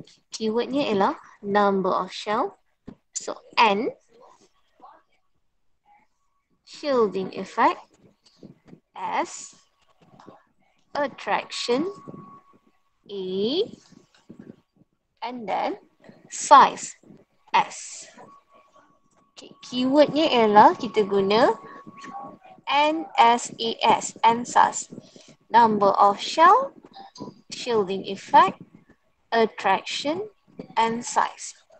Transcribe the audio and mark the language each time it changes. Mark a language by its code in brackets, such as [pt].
[ms] Keywordnya ialah [en] number of shell. So N, shielding effect, S, attraction, E, and then size, S. [ms] Okay, keywordnya ialah kita guna NSAS, NSAS. [en] Number of shell, shielding effect, attraction and size.